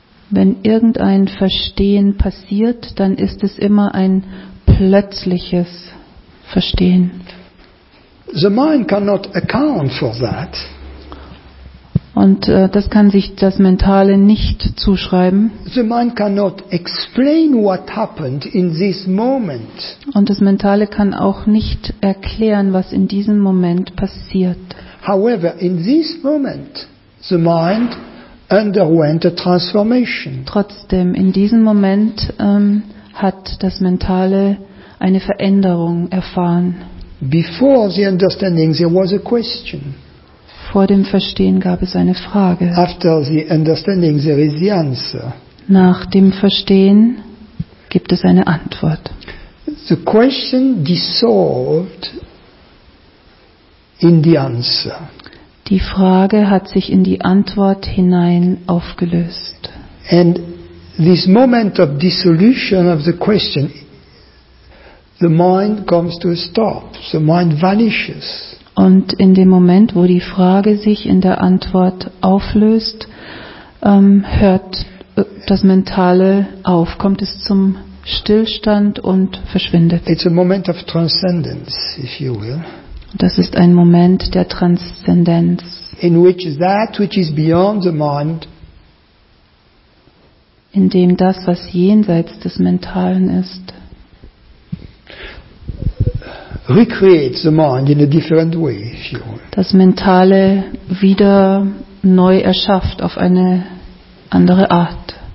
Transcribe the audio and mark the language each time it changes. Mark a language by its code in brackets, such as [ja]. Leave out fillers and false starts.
[de] Wenn irgendein Verstehen passiert, dann ist es immer ein plötzliches Verstehen. [en] The mind cannot account for that. [de] Und das kann sich das Mentale nicht zuschreiben. [en] The mind cannot explain what happened in this moment. [de] Und das Mentale kann auch nicht erklären, was in diesem Moment passiert. [en] However, in this moment, the mind underwent a transformation. [de] Trotzdem, in diesem Moment hat das Mentale eine Veränderung erfahren. [en] Before the understanding, there was a question. [de] Vor dem Verstehen gab es eine Frage. [en] After the understanding, there is the answer. [de] Nach dem Verstehen gibt es eine Antwort. [en] The question dissolved in the answer. [de] Die Frage hat sich in die Antwort hinein aufgelöst. [en] And this moment of dissolution of the question, the mind comes to a stop. The mind vanishes. [de] Und in dem Moment, wo die Frage sich in der Antwort auflöst, hört das Mentale auf, kommt es zum Stillstand und verschwindet. [en] It's a moment of transcendence, if you will. [de] Das ist ein Moment der Transzendenz. [en] In which that which is beyond the mind, [de] in dem das, was jenseits des Mentalen ist, [en] recreates the mind in a different way, if you will. [de] Das Mentale wieder neu erschafft auf eine andere Art.